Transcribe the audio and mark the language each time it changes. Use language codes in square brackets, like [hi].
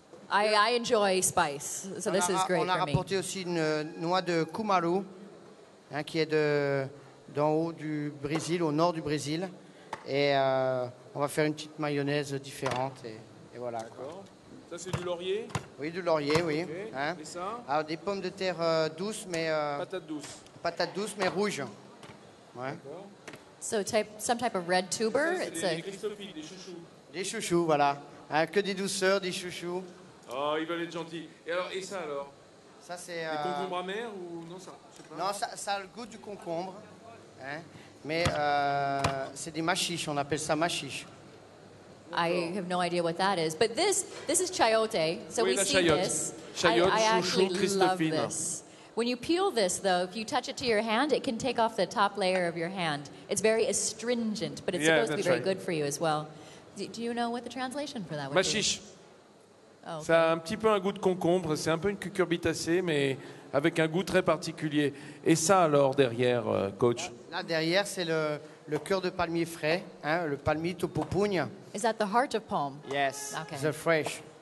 [en] I enjoy spice, so this is great for me. [fr] On a rapporté aussi une noix de kumaru. Hein, qui est d'en haut du Brésil, au nord du Brésil. Et on va faire une petite mayonnaise différente. Et voilà. D'accord. Ça, c'est du laurier ? Oui, du laurier, oui. Okay. Hein. Et ça ? Alors, des pommes de terre douces, mais... Patates douces. Patates douces, mais rouges. Ouais. D'accord. [en] So, some type of red tuber. [fr] Ça, c'est des chrysophiles, des chouchous. Des chouchous, voilà. Hein, que des douceurs, des chouchous. Oh, ils veulent être gentils. Et ça, alors ? Ça, c'est... Des concombres amers ou non, ça ? Non, ça a le goût du concombre, hein? Mais c'est des machiches, on appelle ça machiche. [en] I have no idea what that is, but this is chayote, so [fr] oui, [en] we see chayote. This. Chayote, I actually love this. When you peel this, though, if you touch it to your hand, it can take off the top layer of your hand. It's very astringent, but it's supposed to be right. Very good for you as well. Do you know what the translation for that would [fr] machiche. [en] Be? [fr] Machiche. Ça a un petit peu un goût de concombre, c'est un peu une cucurbitacée, mais... avec un goût très particulier. Et ça, alors, derrière, coach ? Là, derrière, c'est le cœur de palmier frais, hein, le palmito pupunha. [en] Is that the heart of palm? Yes. Okay. The fresh.